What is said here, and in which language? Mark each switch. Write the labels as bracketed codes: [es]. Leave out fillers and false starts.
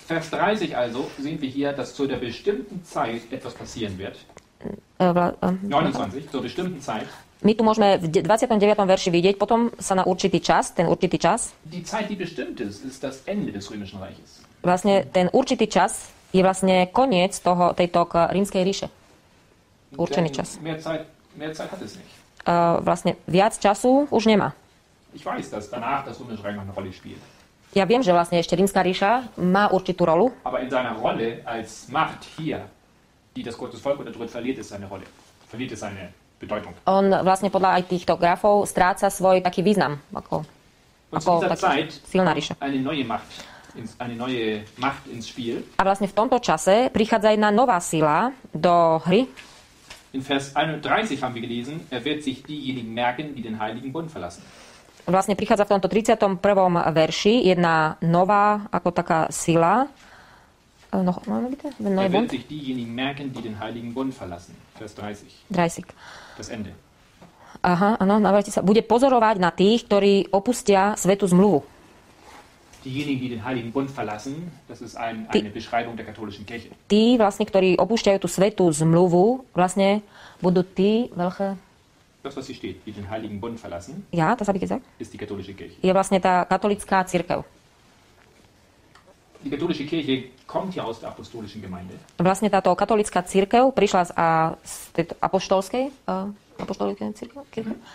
[de] Vers 30 also sehen wir hier, dass zu der bestimmten Zeit etwas passieren wird. 29, zur bestimmten Zeit. [sk] My tu môžeme v 29. verši vidieť, potom sa na určitý čas, ten určitý čas. [de] Die Zeit, die bestimmt ist, ist das Ende des Römischen Reiches. [sk] Vlastne ten určitý čas je vlastne koniec toho, tejto rímskej ríše. Určený čas. [de] Mehr Zeit hat es nicht. [sk] Vlastne viac času už nemá. [de] Ich weiß, dass danach das Römische Reich noch eine Rolle spielt. [sk] Ja viem, že vlastne ešte rímska ríša má určitú rolu. [de] Aber in seiner Rolle als Macht hier, die das Gottes Volk unterdrückt, verliert es seine Rolle. Verliert es seine Bedeutung. [sk] On vlastne podľa aj týchto grafov stráca svoj taký význam, ako taký silná ríša. [de] Eine neue Macht ins Spiel. [sk] A vlastne v tomto čase prichádza jedna nová sila do hry. [de] In Vers 31 haben wir gelesen, er wird sich diejenigen merken, die den Heiligen Bund verlassen. [sk] Vlastne prichádza v tomto 31. verši jedna nová, ako taká sila. [de] Er wird sich diejenigen merken, die den Heiligen Bund verlassen. Vers 30. 30. Das Ende. [sk] Aha, ano, navrátite sa. Bude pozorovať na tých, ktorí opustia svetu zmluvu. [de] Diejenigen, die den Heiligen Bund verlassen, das ist eine Beschreibung der katholischen Kirche. [sk] Tí vlastne, ktorí opúšťajú tú svetu zmluvu, vlastne budú tí veľké... [de] Das, was hier steht, die den Heiligen Bund verlassen, ja, das habe ich gesagt. Ist die katholische Kirche. [sk] Je vlastne tá katolická cirkev. [de] Die katholische Kirche kommt hier aus der apostolischen Gemeinde. [sk] Vlastne táto katolická cirkev prišla z tejto apoštolskej cirkvi.